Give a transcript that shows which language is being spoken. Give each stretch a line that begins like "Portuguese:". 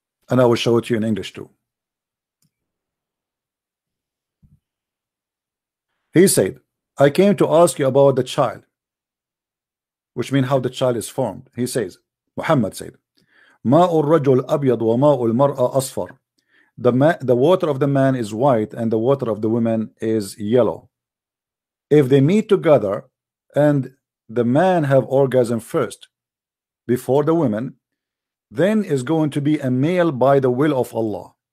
English: And I will show it to you in English too. He said, I came to ask you about the child, which means how the child is formed. He says, Muhammad said,
Arabic: ما الرجل أبيض وما المرأة أصفر.
English: The water of the man is white and the water of the woman is yellow. If they meet together and the man have orgasm first before the woman, then is going to be a male by the will of Allah.